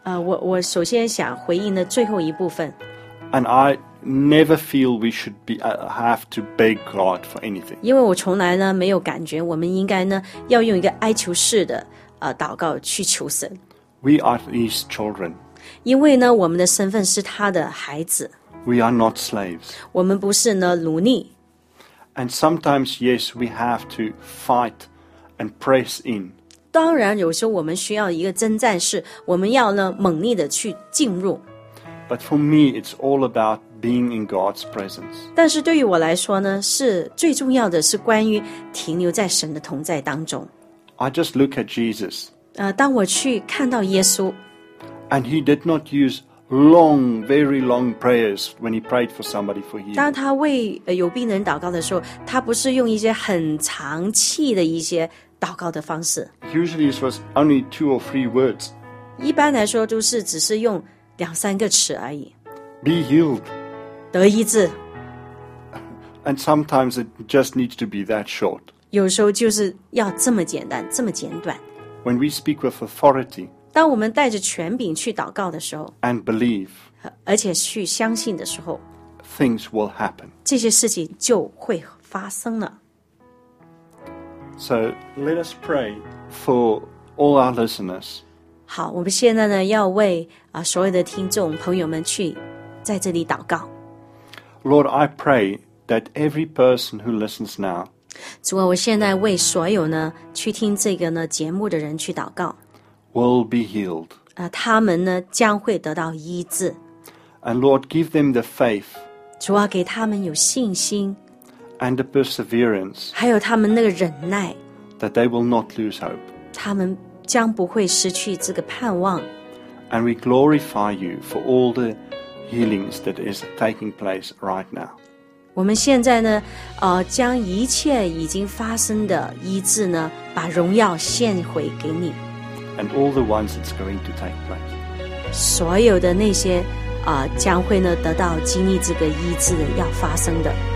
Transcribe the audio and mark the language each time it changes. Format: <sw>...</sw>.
<zh>我首先想回应的最后一部分。</zh> <en>And I never feel we should be have to beg God for anything.</en> <zh>因为我从来呢没有感觉我们应该呢要用一个哀求式的祷告去求神。</zh> <en>We are his children.</en> <zh>因为呢，我们的身份是他的孩子。</zh> <en>We are not slaves.</en> <zh>我们不是呢奴隶。</zh> <en>And sometimes, yes, we have to fight and press in.</en> <zh>当然，有时候我们需要一个征战士，我们要呢猛烈的去进入。</zh> <en>But for me, it's all about being in God's presence.</en> <zh>但是对于我来说呢，是最重要的是关于停留在神的同在当中。</zh> <en>I just look at Jesus.</en> <zh>当我去看到耶稣</zh> <en>And he did not use long, very long prayers when he prayed for somebody for healing.</en> <zh>当他为有病人祷告的时候，他不是用一些很长期的一些祷告的方式。</zh> <en>Usually it was only two or three words.</en> <zh>一般来说都是只是用两三个词而已。</zh> <en>Be healed.</en> <zh>得医治。</zh> <en>And sometimes it just needs to be that short.</en> <zh>有时候就是要这么简单，这么简短。</zh> <en>When we speak with authority,</en> <zh>当我们带着权柄去祷告的时候</zh> <en>and believe,</en> <zh>而且去相信的时候</zh> <en>things will happen.</en> <zh>这些事情就会发生了。</zh> <en>So let us pray for all our listeners.</en> <zh>好，我们现在呢要为所有的听众朋友们去在这里祷告。</zh> <en>Lord, I pray that every person who listens now.</en> <zh>主啊，我现在为所有呢去听这个呢节目的人去祷告</zh> <en>，will be healed，</en> <zh>他们呢将会得到医治。</zh> <en>And Lord, give them the faith.</en> <zh>主啊，给他们有信心。</zh> <en>And the perseverance.</en> <zh>还有他们那个忍耐。</zh> <en>That they will not lose hope.</en> <zh>他们将不会失去这个盼望。</zh> <en>And we glorify you for all the healings that is taking place right now.</en> <zh>我们现在呢，将一切已经发生的医治呢，把荣耀献回给你。</zh> <en>And all the ones that's going to take place.</en> <zh>所有的那些将会呢得到经历这个医治的要发生的。</zh>